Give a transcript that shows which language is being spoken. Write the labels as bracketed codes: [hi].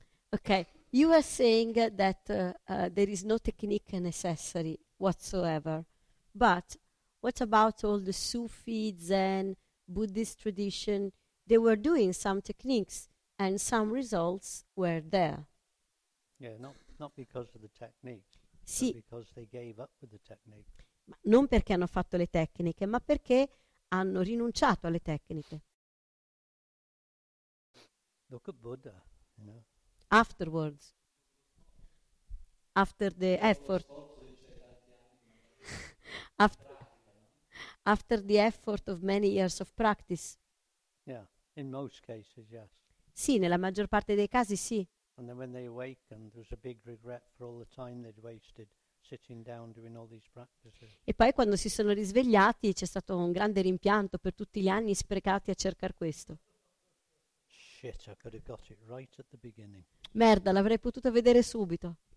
[en] Okay, you are saying that there is no technique necessary whatsoever, but what about all the Sufi, Zen, Buddhist tradition? They were doing some techniques and some results were there. Yeah, not because of the technique, sì. But because they gave up with the technique. [it] Ma non perché hanno fatto le tecniche, ma perché hanno rinunciato alle tecniche. [en] Look at Buddha, you know. Afterwards, after the effort, after the effort of many years of practice. Yeah, in most cases, yes. [it] Sì, nella maggior parte dei casi sì. [en] And then when they awakened, there was a big regret for all the time they'd wasted sitting down doing all these practices. [it] E poi quando si sono risvegliati c'è stato un grande rimpianto per tutti gli anni sprecati a cercare questo. [en] Shit, I could have got it right at the beginning. [it] Merda, l'avrei potuto vedere subito.